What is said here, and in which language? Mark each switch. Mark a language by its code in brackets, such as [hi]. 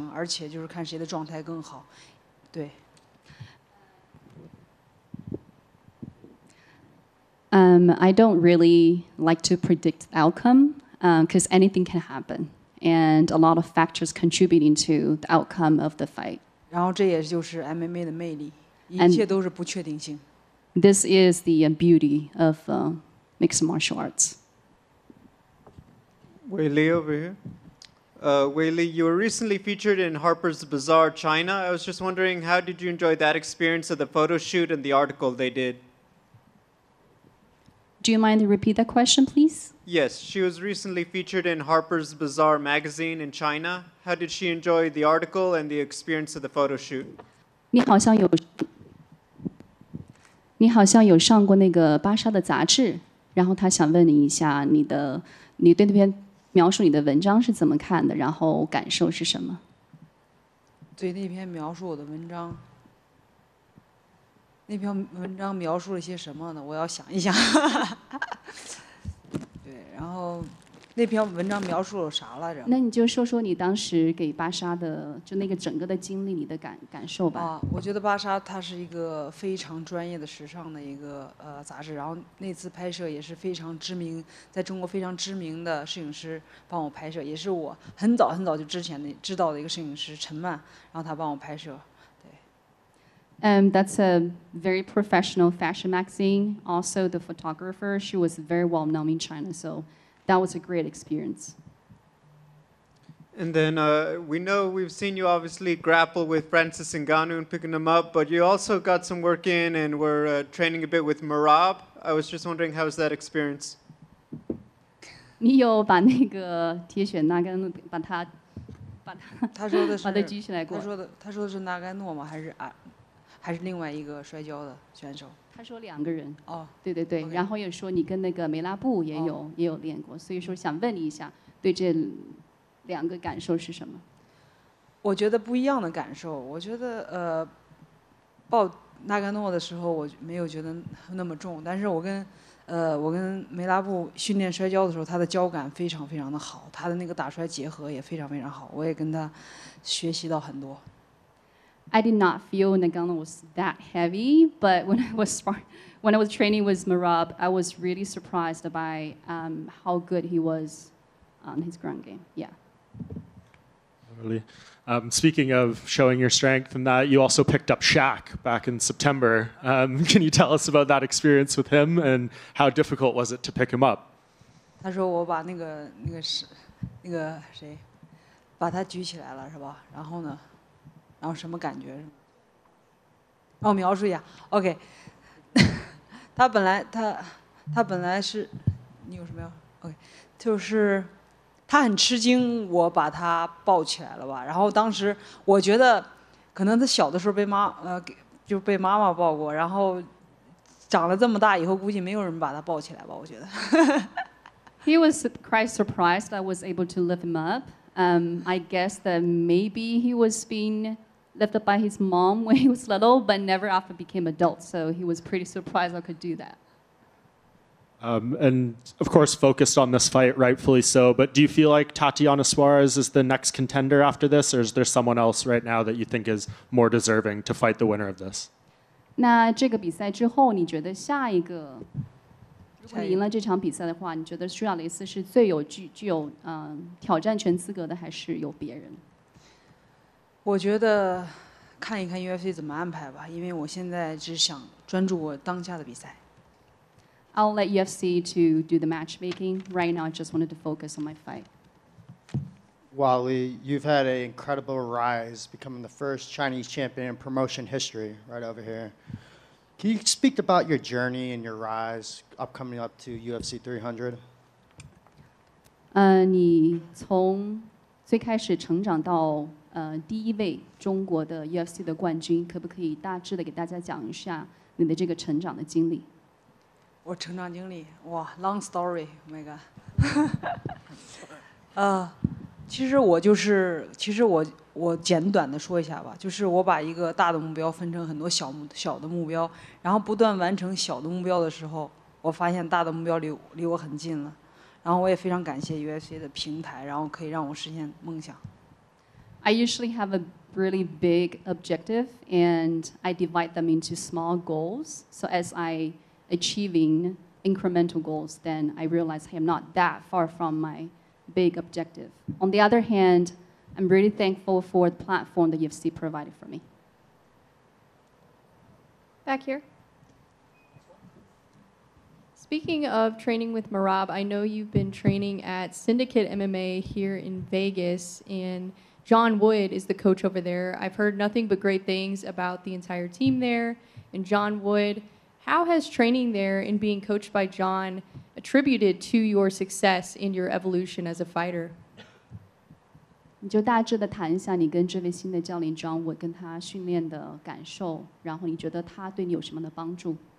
[zh] 你可不可以讲一下你对主卡拉几个比赛的一些看法或者说预测？我其实一般很少去预测比赛，因为我觉得在赛场上什么都有可能发生，而且就是看谁的状态更好。对。 [en] I don't really like to predict outcome because anything can happen, and a lot of factors contributing to the outcome of the fight. [zh] 然后这也就是 MMA 的魅力，一切都是不确定性。 [en] This is the beauty of mixed martial arts. Weili over here. Weili, you were recently featured in Harper's Bazaar China. I was just wondering, how did you enjoy that experience of the photo shoot and the article they did? Do you mind to repeat that question, please? Yes, she was recently featured in Harper's Bazaar magazine in China. How did she enjoy the article and the experience of the photo shoot? [zh] 你好像有上过那个芭莎的杂志，然后她想问你一下你的你对那边描述你的文章是怎么看的，然后感受是什么？对，那篇描述我的文章，那篇文章描述了些什么呢？我要想一想。对，然后那篇文章描述了啥来着？那你就说说你当时给巴莎的，就那个整个的经历，你的感受吧。啊，我觉得巴莎它是一个非常专业的时尚的一个杂志，然后那次拍摄也是非常知名，在中国非常知名的摄影师帮我拍摄，也是我很早很早就之前的知道的一个摄影师陈曼，然后他帮我拍摄。 [en] That's a very professional fashion magazine. Also, the photographer, she was very well known in China, so that was a great experience. And then we know we've seen you obviously grapple with Francis Ngannou and picking him up, but you also got some work in and were training a bit with Merab. I was just wondering, how was that experience? [zh] 你有把那个铁血纳甘把他把他说的是把他举起来过？他说的是纳甘诺吗？还是另外一个摔跤的选手，他说两个人哦，对对对、 okay. 然后也说你跟那个梅拉布也有练过，所以说想问你一下对这两个感受是什么。我觉得不一样的感受，我觉得抱纳甘诺的时候我没有觉得那么重，但是我跟梅拉布训练摔跤的时候，他的脚感非常非常的好，他的那个打摔结合也非常非常好，我也跟他学习到很多。 [en] I did not feel Ngannou was that heavy, but when I was training with Merab, I was really surprised by how good he was on his ground game. Yeah. Totally. Speaking of showing your strength and that, you also picked up Shaq back in September. Can you tell us about that experience with him and how difficult was it to pick him up? [zh] 他说我把那个谁把他举起来了是吧？然后呢？然后什么感觉？让我描述一下。 OK， 他本来是，你有什么要 ？OK， 就是他很吃惊，我把他抱起来了吧。然后当时我觉得，可能他小的时候被妈妈抱过，然后长了这么大以后，估计没有人把他抱起来吧。我觉得。 [en] He was quite surprised I was able to lift him up. I guess that maybe he was being lifted up by his mom when he was little, but never after became adult. So he was pretty surprised I could do that. And of course, focused on this fight, rightfully so. But do you feel like Tatiana Suarez is the next contender after this, or is there someone else right now that you think is more deserving to fight the winner of this? [zh] 那这个比赛之后，你觉得下一个，如果你赢了这场比赛的话，你觉得苏亚雷斯是最有具有挑战权资格的，还是有别人？我觉得看一看 UFC 怎么安排吧，因为我现在只想专注我当下的比赛。 [en] I'll let UFC to do the matchmaking. Right now, I just wanted to focus on my fight. Wally, you've had an incredible rise, becoming the first Chinese champion in promotion history right over here. Can you speak about your journey and your rise upcoming up to UFC 300? [zh] 你从最开始成长到第一位中国的 UFC 的冠军，可不可以大致的给大家讲一下你的这个成长的经历？我成长经历，哇 ， [en] long story， oh my god， [zh] 其实我简短的说一下吧，就是我把一个大的目标分成很多小的目标，然后不断完成小的目标的时候，我发现大的目标离我很近了，然后我也非常感谢 UFC 的平台，然后可以让我实现梦想。 [en] I usually have a really big objective and I divide them into small goals. So as I achieving incremental goals, then I realize I am not that far from my big objective. On the other hand, I'm really thankful for the platform that UFC provided for me. Back here. Speaking of training with Merab, I know you've been training at Syndicate MMA here in Vegas and John Wood is the coach over there. I've heard nothing but great things about the entire team there and John Wood. How has training there and being coached by John attributed to your success and your evolution as a fighter? [zh] 你就大致的谈一下你跟这位新的教练 John Wood 跟他训练的感受，然后你觉得他对你有什么的帮助？